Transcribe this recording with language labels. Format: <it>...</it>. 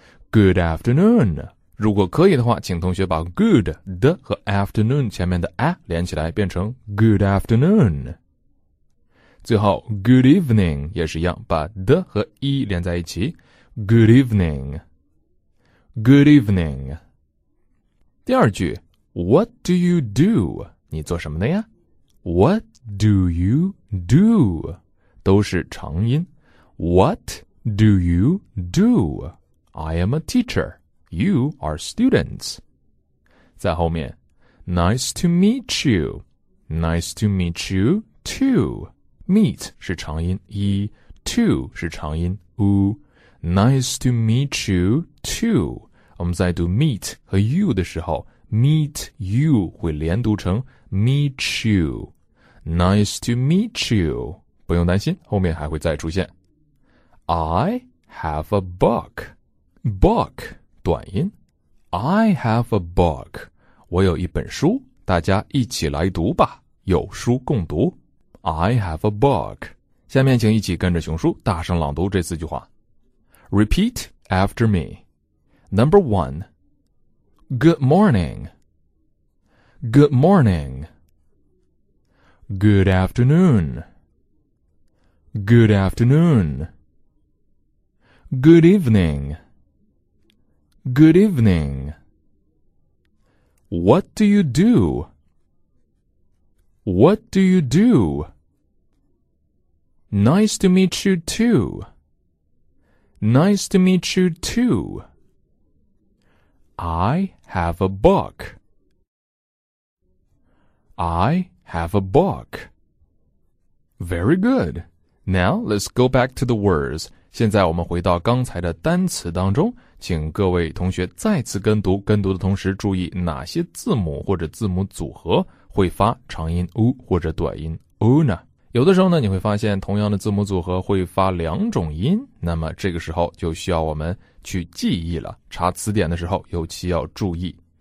<en>Good afternoon.</en> <zh>如果可以的话，请同学把 good 的和 afternoon 前面的 a 连起来，变成 good afternoon。最后 good evening 也是一样，把 的 和 e 连在一起， good evening。</zh> <en>Good evening。</en> <zh>第二句，</zh> <en>what do you do?</en> <zh>你做什么的呀？</zh> <en>What do you do?</en> <zh>都是长音。</zh> <en>What do you do? I am a teacherYou are students.</en> <zh>在后面</zh> <en>Nice to meet you. Nice to meet you too. Meet 是长音 E, too 是长音 U. Nice to meet you too.</en> <zh>我们在读 meet 和 you 的时候， meet you 会连读成 meet you.</zh> <en>Nice to meet you.</en> <zh>不用担心，后面还会再出现。</zh> <en>I have a book. Book.</en> <zh>短音</zh> <en>I have a book.</en> <zh>我有一本书，大家一起来读吧，有书共读。</zh> <en>I have a book.</en> <zh>下面请一起跟着熊叔大声朗读这四句话。</zh> <en>Repeat after me. Number one. Good morning. Good morning. Good afternoon. Good afternoon. Good eveningGood evening. What do you do? What do you do? Nice to meet you too. Nice to meet you too. I have a book. I have a book. Very good. Now let's go back to the words.</en> <zh>现在我们回到刚才的单词当中。请各位同学再次跟读，跟读的同时注意哪些字母或者字母组合会发长音 u 或者短音 u 呢？有的时候呢，你会发现同样的字母组合会发两种音，那么这个时候就需要我们去记忆了，查词典的时候尤其要注意。</zh>